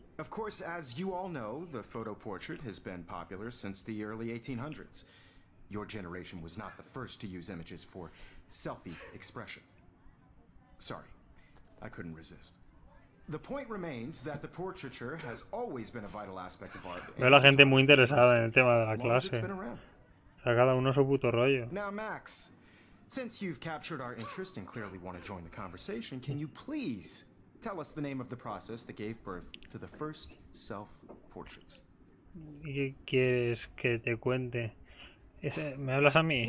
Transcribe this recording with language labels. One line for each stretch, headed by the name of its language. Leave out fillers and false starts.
English: Of course, as you all know, the photo portrait has been popular since the early 1800s. Your generation was not the first to use images for selfie expression. Sorry, I couldn't resist. The point remains that the portraiture has always been a vital aspect of art.
Spanish: Veo la gente muy interesada en el tema de la clase. O sea, cada uno su puto rollo.
English: Now, Max, since you've captured our interest and clearly want to join the conversation, can you please tell us the name of the process that gave birth to the first self-portraits?
Spanish: ¿Qué quieres que te cuente? ¿Me hablas a mí?